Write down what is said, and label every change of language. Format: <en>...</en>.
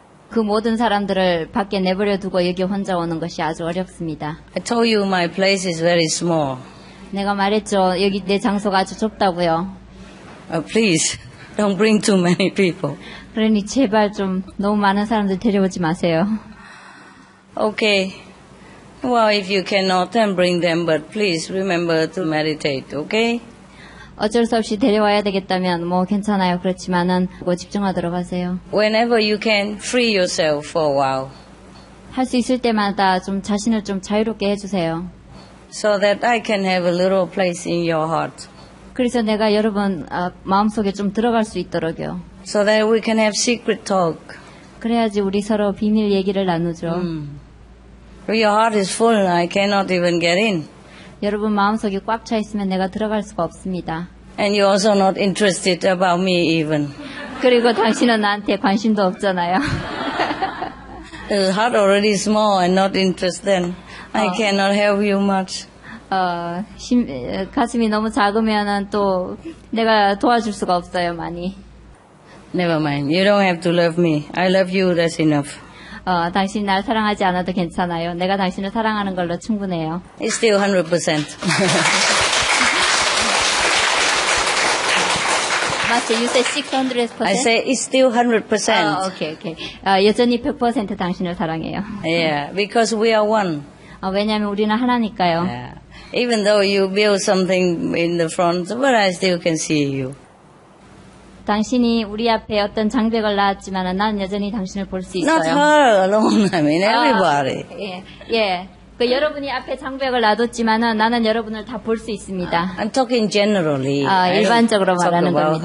<ko>그 모든 사람들을 밖에 내버려 두고 여기 혼자 오는 것이 아주 어렵습니다.</ko> <en>I told you my place is very small.</en> <ko>내가 말했죠. 여기 내 장소가 아주 좁다고요.</ko> <en>Please, don't bring too many people.</en> <ko>그러니 제발 좀 너무 많은 사람들 데려오지 마세요.</ko> <en>Okay. Well, if you cannot, then bring them, but please remember to meditate, okay?</en> <ko>어쩔 수 없이 데려와야 되겠다면, 뭐, 괜찮아요. 그렇지만은, 뭐, 집중하도록 하세요.</ko> <en>Whenever you can, free yourself for a while.</en> <ko>할 수 있을 때마다 좀 자신을 좀 자유롭게 해주세요.</ko> <en>so that I can have a little place in your heart.</en> <ko>그래서 내가 여러분 마음속에 좀 들어갈 수 있도록요.</ko> <en>So that we can have secret talk.</en> <ko>그래야지 우리 서로 비밀 얘기를 나누죠.</ko> <en>Your heart is full. I cannot even get in.</en> <ko>여러분 마음속이 꽉 차 있으면 내가 들어갈 수가 없습니다.</ko> <en>And you're also not interested about me even.</en> <ko>그리고 당신은 나한테 관심도 없잖아요.</ko> <en>His heart already small and not interested. I cannot help you much.</en> <ko>가슴이 너무 작으면은 또 내가 도와줄 수가 없어요 많이.</ko> <en>Never mind. You don't have to love me. I love you. That's enough.</en> <ko>당신이 날 사랑하지 않아도 괜찮아요. 내가 당신을 사랑하는 걸로 충분해요.</ko> <en>It's still 100%. You said 600%? I say it's still 100%. Oh, okay, okay.</en> <ko>여전히 100% 당신을 사랑해요.</ko> <en>Yeah, because we are one.</en> <ko>왜냐하면 우리는 하나니까요.</ko> <en>Yeah. Even though you build something in the front, but I still can see you.</en> <ko>당신이 우리 앞에 어떤 장벽을 놨지만 나는 여전히 당신을 볼 수 있어요.</ko> <en>Not her alone, I mean everybody.</en> <ko>예, 예. 그 여러분이 앞에 장벽을 놔뒀지만 나는 여러분을 다 볼 수 있습니다.</ko> <en>I'm talking generally.</en> <ko>일반적으로 말하는 겁니다.</ko>